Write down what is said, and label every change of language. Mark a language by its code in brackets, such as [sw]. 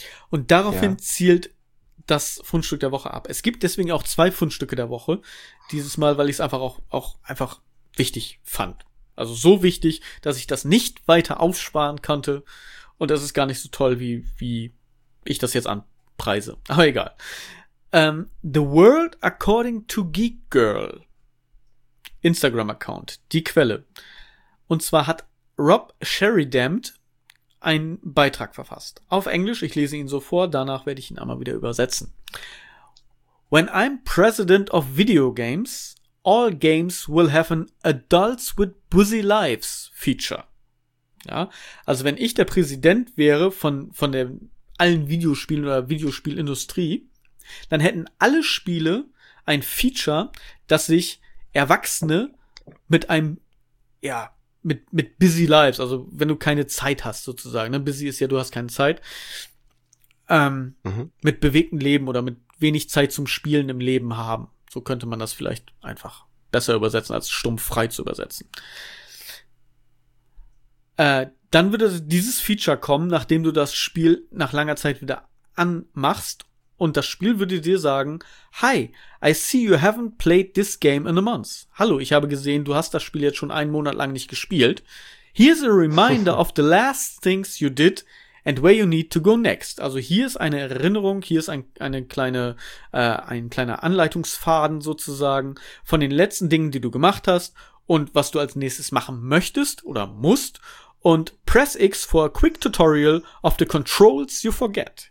[de] Und daraufhin zielt das Fundstück der Woche ab. Es gibt deswegen auch zwei Fundstücke der Woche. Dieses Mal, weil ich es einfach auch einfach wichtig fand. Also so wichtig, dass ich das nicht weiter aufsparen konnte. Und das ist gar nicht so toll, wie ich das jetzt anpreise. Aber egal. [en] The World According to Geek Girl. [de] Instagram-Account, die Quelle. Und zwar hat Rob Sherridamt einen Beitrag verfasst. Auf Englisch, ich lese ihn so vor, danach werde ich ihn einmal wieder übersetzen. [en] When I'm president of video games, all games will have an Adults with Busy Lives Feature. [de] Ja, also wenn ich der Präsident wäre von der allen Videospielen oder Videospielindustrie, dann hätten alle Spiele ein Feature, das sich Erwachsene mit einem, ja, mit busy lives, also wenn du keine Zeit hast sozusagen, ne? Busy ist ja, du hast keine Zeit, mit bewegtem Leben oder mit wenig Zeit zum Spielen im Leben haben. So könnte man das vielleicht einfach besser übersetzen, als stumpf frei zu übersetzen. Dann würde dieses Feature kommen, nachdem du das Spiel nach langer Zeit wieder anmachst. Und das Spiel würde dir sagen, [en] Hi, I see you haven't played this game in a month. [de] Hallo, ich habe gesehen, du hast das Spiel jetzt schon einen Monat lang nicht gespielt. [en] Here's a reminder of the last things you did and where you need to go next. [de] Also hier ist eine Erinnerung, hier ist ein kleiner Anleitungsfaden sozusagen von den letzten Dingen, die du gemacht hast und was du als nächstes machen möchtest oder musst. [en] Und press X for a quick tutorial of the controls you forget.